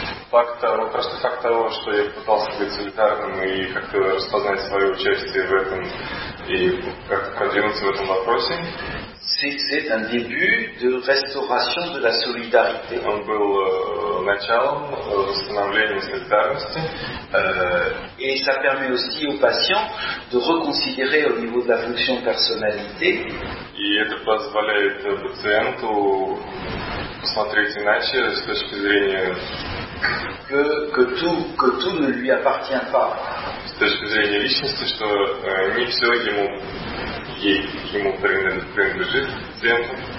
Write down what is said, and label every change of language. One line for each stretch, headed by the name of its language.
Russian: Факт того, что я пытался быть солидарным и как-то распознать свое участие в этом и как-то продвинуться в этом вопросе.
French: C'est un début de restauration de la solidarité.
Russian: Он был началом восстановления солидарности.
French: Et ça permet aussi aux patients de reconsidérer au niveau de la fonction de personnalité.
Russian: И это позволяет пациенту посмотреть иначе с точки зрения
French: que tout ne lui appartient pas.
Russian: С точки зрения личности, что не все ему принадлежит, пациенту.